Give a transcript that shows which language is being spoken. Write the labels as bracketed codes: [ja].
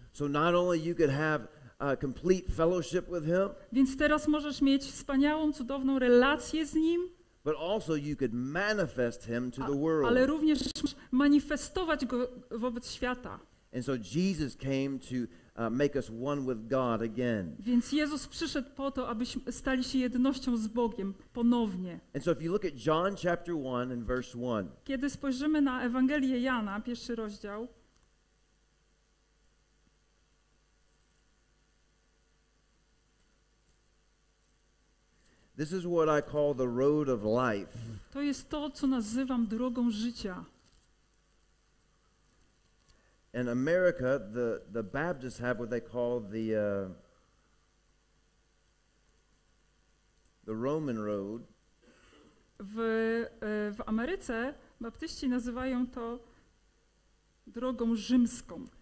[en] So not only you could have a complete fellowship with him. [pl] Więc teraz możesz mieć wspaniałą, cudowną relację z nim. [en] But also you could manifest him to the world. [pl] Ale również możesz manifestować go wobec świata. [en] And so Jesus came to make us one with God again. [pl] Więc Jezus przyszedł po to, abyśmy stali się jednością z Bogiem ponownie. [en] And so if you look at John chapter 1 and verse 1. [pl] Kiedy spojrzymy na Ewangelię Jana, pierwszy rozdział. [en] This is what I call the road of life. [pl] To jest to, co nazywam drogą życia. [en] In America, the Baptists have what they call the Roman road. [pl] W Ameryce Baptyści nazywają to drogą rzymską.